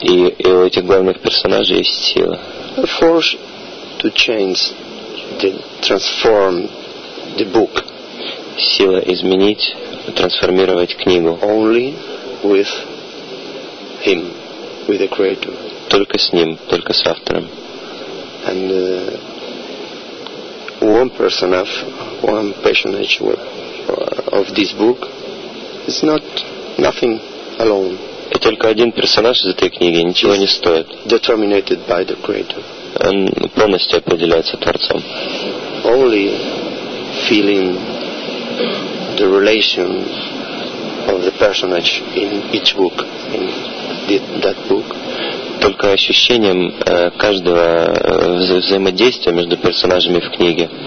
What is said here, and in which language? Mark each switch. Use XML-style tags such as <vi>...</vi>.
<ru>И у этих главных персонажей есть сила.</ru> <en>A force to change, to transform the book.</en> <ru>Сила изменить, трансформировать книгу.</ru> <en>Only with him, with the Creator.</en> <ru>Только с ним, только с автором.</ru> <en>And one personage of this book is not nothing alone.</en> <ru>И только один персонаж из этой книги ничего не стоит.</ru> <en>Determined by the Creator.</en> <ru>Он полностью определяется Творцом.</ru> <en>Only feeling the relation of the personage in each book, in that book.</en> <ru>Только ощущением каждого взаимодействия между персонажами в книге.</ru>